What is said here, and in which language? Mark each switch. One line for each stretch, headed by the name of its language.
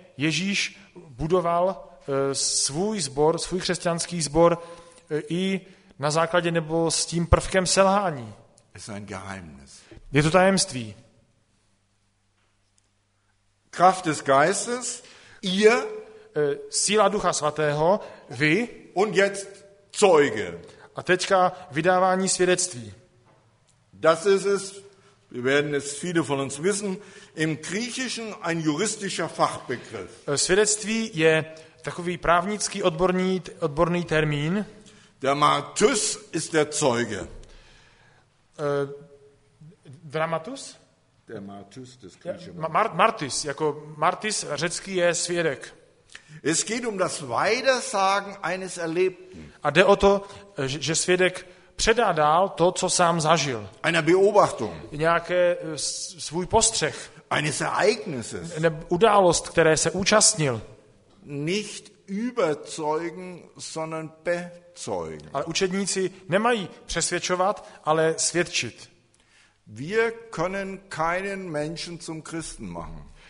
Czech: Ježíš budoval svůj sbor, svůj křesťanský sbor i na základě nebo s tím prvkem selhání.
German: Es ist ein Geheimnis.
Czech: Je to tajemství.
German: Kraft des Geistes, ihr,
Czech: síla Ducha Svatého, vy,
German: und jetzt Zeuge.
Czech: A teďka vydávání svědectví.
German: Das ist es, wir werden es viele von uns wissen, im Griechischen ein juristischer Fachbegriff.
Czech: Svědectví je takový právnický odborný termín.
German: Der Martus ist der Zeuge. Dramatus? Der Martus,
Czech: Martis, jako Martis, řecký je svědek.
German: Es geht um das Weidersagen eines Erlebten.
Czech: A jde o to, že svědek předá dál to, co sám zažil.
German: Eine Beobachtung.
Czech: Nějaké svůj postřeh.
German: Eines Ereignisses. Eine
Czech: Událost, které se účastnil.
German: Nicht überzeugen, sondern bezeugen.
Czech: Ale učedníci nemají přesvědčovat, ale svědčit.
German: Wir können keinen Menschen zum Christen machen.